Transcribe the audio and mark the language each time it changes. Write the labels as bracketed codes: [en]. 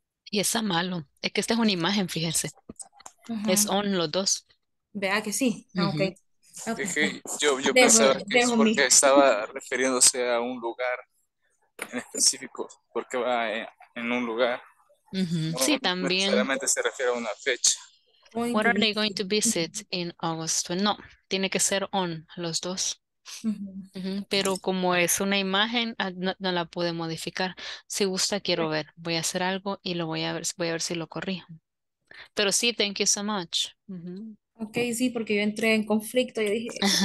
[es] Y está malo. Es que esta es una imagen, fíjense. Es on los dos. Vea que sí. Okay. Okay. Yo pensaba que es porque estaba refiriéndose a un lugar en específico, porque va en un lugar. No, sí, también. Necesariamente se refiere a una fecha. [en] What are they going to visit in August? [es] No, tiene que ser on los dos. Pero como es una imagen, no la pude modificar. Si gusta, quiero ver. Voy a hacer algo y lo voy a ver si lo corrijo. Pero sí, [en] thank you so much. [es] Ok, sí, porque yo entré en conflicto y dije...